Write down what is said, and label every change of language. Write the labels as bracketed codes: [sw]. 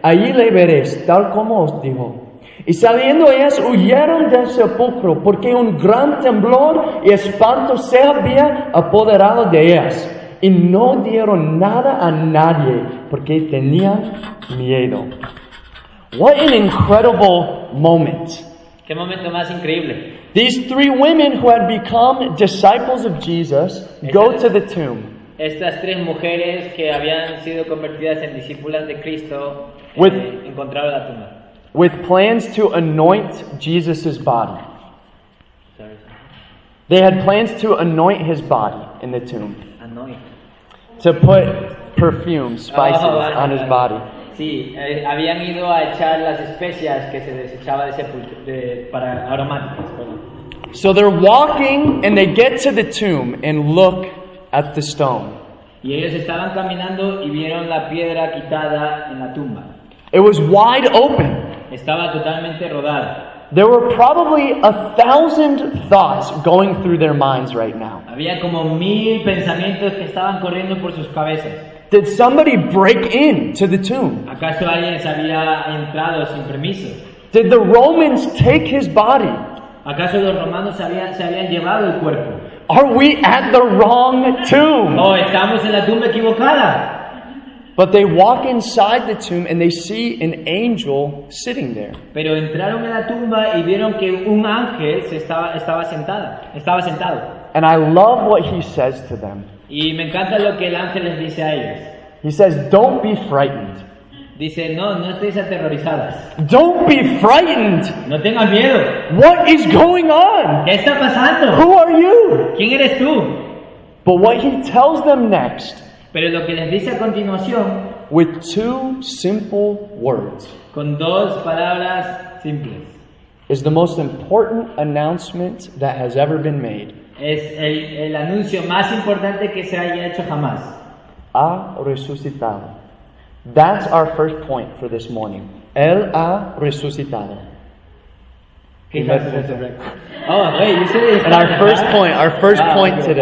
[es] Allí le veréis, tal como os dijo. Y saliendo ellas, huyeron del sepulcro, porque un gran temblor y espanto se había apoderado de ellas. Y no dieron nada a nadie, porque tenían miedo. [en] What an incredible moment. [es] ¿Qué momento más increíble? [en] These three women who had become disciples of Jesus go to the tomb. [es] Estas tres mujeres que habían sido convertidas en discípulas de Cristo encontraron la tumba. [en] With plans to anoint Jesus's body. Sorry. They had plans to anoint his body in the tomb. Anoint. To put perfume, spices on his body. [es] Sí, habían ido a echar las especias que se desechaba de sepulcro para aromáticas. [en] So they're walking and they get to the tomb and look at the stone. [es] Y ellos estaban caminando y vieron la piedra quitada en la tumba. [en] It was wide open. [es] Estaba totalmente rodada. [en] There were probably 1,000 thoughts going through their minds right now. [es] Había como 1,000 pensamientos que estaban corriendo por sus cabezas. [en] Did somebody break in to the tomb? [es] ¿Acaso alguien se había entrado sin permiso? [en] Did the Romans take his body? [es] ¿Acaso los romanos se habían llevado el cuerpo? [en] Are we at the wrong tomb? [es] ¿O estamos en la tumba equivocada? [en] But they walk inside the tomb and they see an angel sitting there. [es] Pero entraron en la tumba y vieron que un ángel estaba sentado. [en] And I love what he says to them. [es] Y me encanta lo que el ángel les dice a ellos. [en] He says, "Don't be frightened." [es] Dice, no estéis aterrorizadas. [en] Don't be frightened. [es] No tengan miedo. [en] What is going on? [es] ¿Qué está pasando? [en] Who are you? [es] ¿Quién eres tú? [en] But what he tells them next. [es] Pero lo que les dice a continuación, [en] with two simple words, [es] con dos palabras simples, [en] is the most important announcement that has ever been made. [es] Es el anuncio más importante que se haya hecho jamás. Ha resucitado. [en] That's our first point for this morning. [es] Él ha resucitado. [en] Oh, wait, you said it. And our first point today.